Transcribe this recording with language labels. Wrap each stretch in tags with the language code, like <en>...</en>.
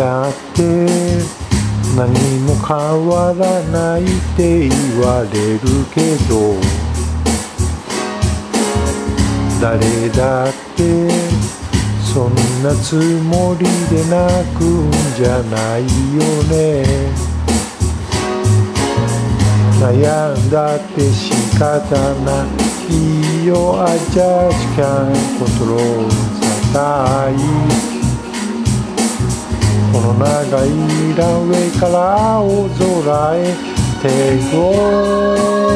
<ja>って何も変わらないって言われるけど、誰だってそんなつもりで泣くんじゃないよね。悩んだって仕方ないよ。</ja> <en>I just can't control the tide。</en> <ja>この長いランウェイから青空へ Take off。</ja>